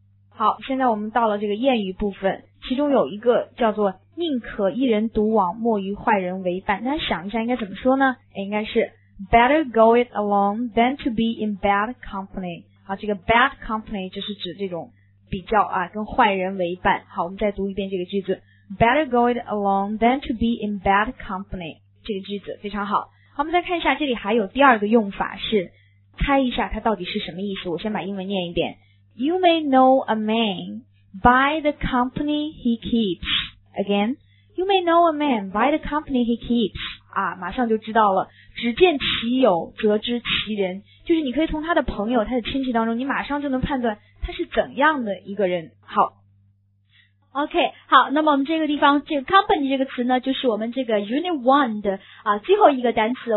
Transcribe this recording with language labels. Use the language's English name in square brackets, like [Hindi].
[Chinese] 好，现在我们到了这个谚语部分，其中有一个叫做宁可一人独往，莫与坏人为伴。大家想一下应该怎么说呢？应该是 [English] better go it alone than to be in bad company。 [Chinese] 好，这个 bad company 就是指这种比较跟坏人为伴。好，我们再读一遍这个句子， [English] better go it alone than to be in bad company。 [Chinese] 这个句子非常好。好，我们再看一下，这里还有第二个用法，是猜一下它到底是什么意思。我先把英文念一遍， [English] You may know a man by the company he keeps. Again, You may know a man by the company he keeps. [Chinese] 马上就知道了，只见其友则知其人，就是你可以从他的朋友他的亲戚当中你马上就能判断他是怎样的一个人。好 OK， 好，那么我们这个地方这个 company 这个词呢就是我们这个 unit 1的最后一个单词。